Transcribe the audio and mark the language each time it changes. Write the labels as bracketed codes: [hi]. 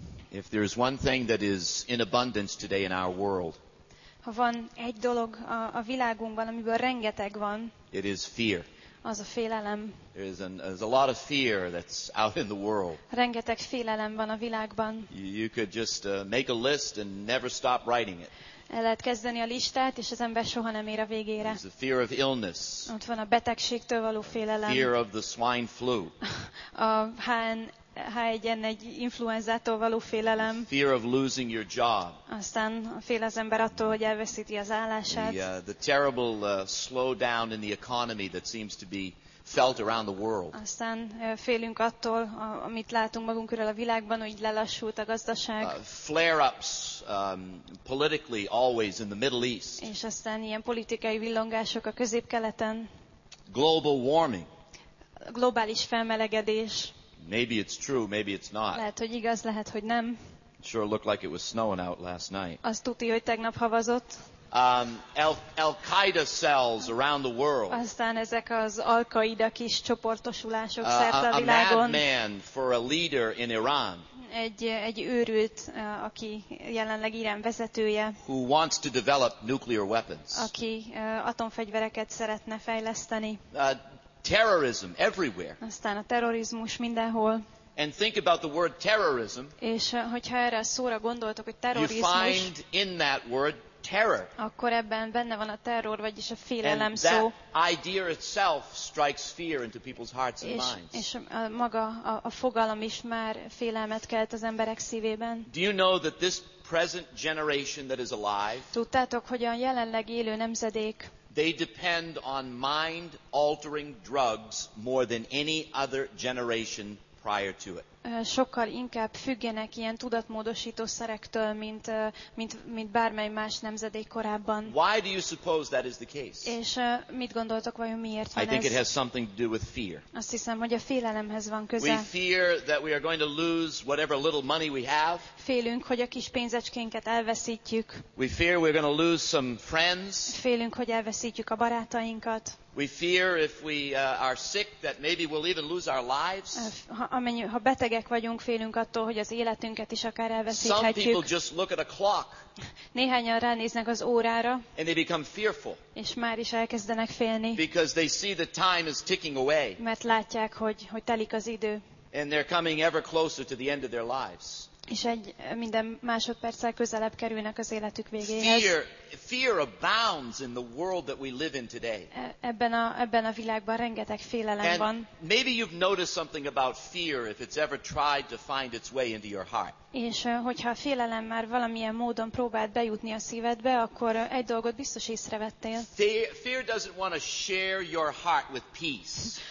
[en] If there is one thing that is in abundance today in our world, [hu] ha van egy dolog a világunkban, amiből rengeteg van, [en] it is fear. [hu] Az a félelem. [en] There's a lot of fear that's out in the world. [hu] Rengeteg félelem van a világban. [en] You could just make a list and never stop writing it. [hu] El lehet kezdeni a listát, és az ember soha nem ér a végére. [en] There's a fear of illness. [hu] Ott van a betegségtől való félelem. [en] Fear of the swine flu. [hu] A H1N1 influenzától való félelem. [en] Fear of losing your job. [hu] Aztán fél az ember attól, hogy elveszíti az állását. [en] The terrible slowdown in the economy that seems to be felt around the world. [hu] Aztán félünk attól, amit látunk magunk körül a világban, hogy lelassult a gazdaság. [en] Flare-ups politically always in the Middle East. [hu] És aztán ilyen politikai villongások a Közép-Keleten. [en] Global warming. [hu] Globális felmelegedés. [en] Maybe it's true, maybe it's not. [hu] Lehet, hogy igaz, lehet, hogy nem. [en] Sure looked like it was snowing out last night. [hu] Azt tudti, hogy tegnap havazott. [en] Al-Qaeda cells around the world. [hu] Aztán ezek az Al-Qaeda kis csoportosulások szerte a világon. [en] A madman for a leader in Iran. [hu] Egy őrült, aki jelenleg Irán vezetője. [en] Who wants to develop nuclear weapons. [hu] Aki atomfegyvereket szeretne fejleszteni. [en] Terrorism everywhere. [hu] Aztán a terrorizmus mindenhol. [en] And think about the word terrorism. [hu] És hogyha erre a szóra gondoltok, hogy terrorizmus. [en] You find in that word terror. [hu] Akkor ebben benne van a terror, vagyis a félelem szó. [en] And that idea itself strikes fear into people's hearts and minds. [hu] És maga a fogalom is már félelmet kelt az emberek szívében. [en] Do you know that this present generation that is alive? [hu] Tudtátok, hogy a jelenleg élő nemzedék. [en] They depend on mind-altering drugs more than any other generation prior to it. [hu] Sokkal inkább függenek ilyen tudatmódosító szerektől, mint bármely más nemzedék korábban. [en] Why do you suppose that is the case? [hu] És mit gondoltok, vajon miért van ez? [en] I think it has something to do with fear. [hu] Azt hiszem, hogy a félelemhez van köze. [en] We fear that we are going to lose whatever little money we have. [hu] Félünk, hogy a kis pénzecskénket elveszítjük. [en] We fear we're going to lose some friends. [hu] Félünk, hogy elveszítjük a barátainkat. [en] We fear if we are sick that maybe we'll even lose our lives. [hu] Ha betegek vagyunk, félünk attól, hogy az életünket is akár elveszíthetjük. [en] Some people just look at a clock. [hu] Néhányan ránéznek az órára. [en] And they become fearful. [hu] És már is elkezdenek félni. [en] Because they see the time is ticking away. [hu] Mert látják, hogy telik az idő. [en] And they're coming ever closer to the end of their lives. [hu] És minden másodperccel közelebb kerülnek az életük végéhez. [en] Fear abounds in the world that we live in today. [hu] Ebben a világban rengeteg félelem van. [en] Maybe you've noticed something about fear if it's ever tried to find its way into your heart. [hu] És hogyha a félelem már valamilyen módon próbált bejutni a szívedbe, akkor egy dolgot biztos észrevettél. [en] Fear doesn't want to share your heart with peace.